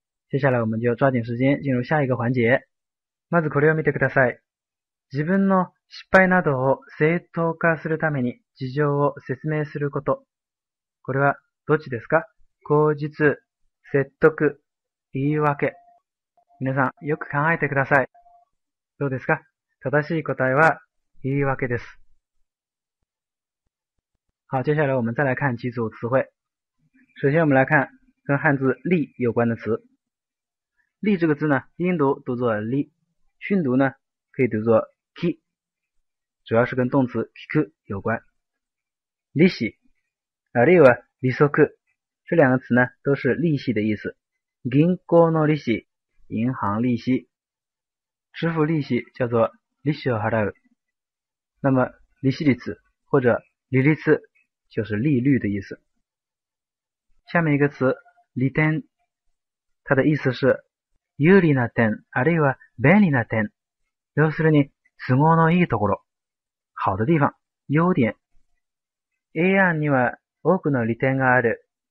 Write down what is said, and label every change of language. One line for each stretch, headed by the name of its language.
Chinese: 接下来我们就抓紧时间进入下一个环节。
Japanese: まずこれを見てください。自分の失敗などを正当化するために事情を説明すること。これはどっちですか？口実、説得、言い訳。皆さんよく考えてください。どうですか？正しい答えは言い訳です。
Chinese: 好、接下来我们再来看几组词汇。首先我们来看跟汉字利有关的词。利这个字呢，音读读作利，训读呢可以读作 ki， 主要是跟动词 kiku 有关。利息，あるいは利息，这两个词呢都是利息的意思。
Japanese: 銀行の利息，
Chinese: 银行利息，支付利息叫做
Japanese: 利息を払う。
Chinese: 那么利息率或者利率就是利率的意思。下面一个词利点，它的意思是
Japanese: 有利な点、あるいは便利な点。要するに、都合のいいところ。
Chinese: 好的地方、优点。
Japanese: A 案には多くの利点がある。